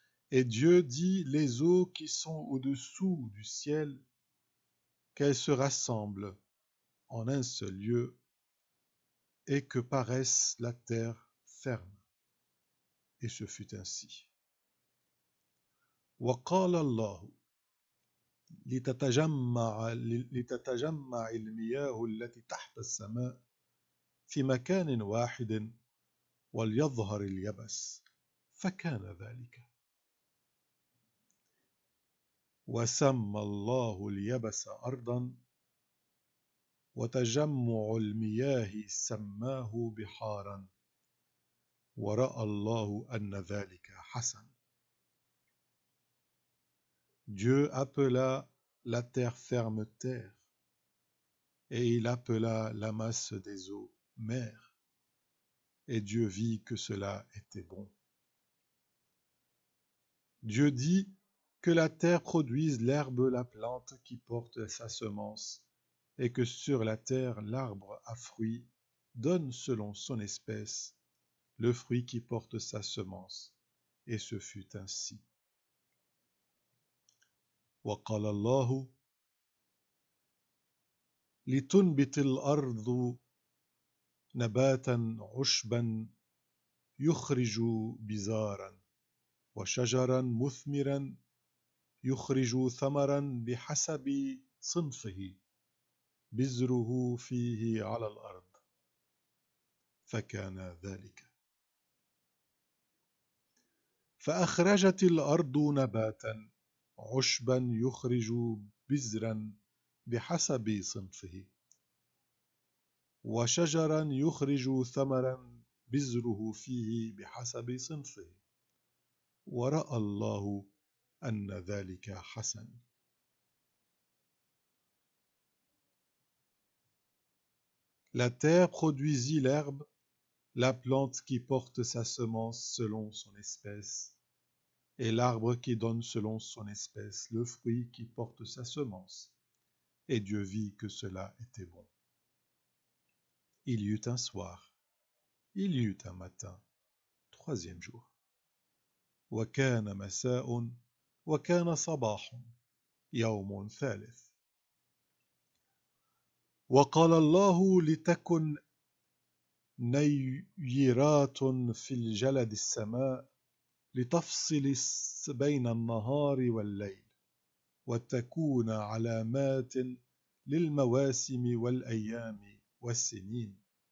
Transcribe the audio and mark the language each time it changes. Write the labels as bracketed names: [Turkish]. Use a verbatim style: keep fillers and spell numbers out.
[French] Et Dieu dit les eaux qui sont au-dessous du ciel, qu'elles se rassemblent en un seul lieu, et que paraisse la terre ferme. Et ce fut ainsi. [Arabic] وَقَالَ اللَّهُ لتتجمع, لتتجمع المياه التي تحت السماء في مكان واحد وليظهر اليبس فكان ذلك. وسمى الله اليبس أرضا وتجمع المياه سماه بحارا ورأى الله أن ذلك حسن. [French] Dieu appela la terre ferme terre, et il appela la masse des eaux mer, et Dieu vit que cela était bon. Dieu dit que la terre produise l'herbe, la plante qui porte sa semence, et que sur la terre l'arbre à fruits donne selon son espèce le fruit qui porte sa semence, et ce fut ainsi. [Arabic] وقال الله لتنبت الأرض نباتا عشبا يخرج بزارا وشجرا مثمرا يخرج ثمرا بحسب صنفه بزره فيه على الأرض فكان ذلك. فأخرجت الأرض نباتا عشبا يخرج بزرا بحسب صنفه وشجرا يخرج ثمرا بزره فيه بحسب صنفه، ورأى الله أن ذلك حسن. [French] La terre produisit l'herbe, la plante qui porte sa semence selon son espèce, et l'arbre qui donne selon son espèce le fruit qui porte sa semence. Et Dieu vit que cela était bon. Il y eut un soir, il y eut un matin, troisième jour. [Arabic] وكان مساء وكان صباح يوم ثالث. وقال الله لتكن نيرات في الجلد السماء لتفصل بين النهار والليل، وتكون علامات للمواسم والأيام والسنين.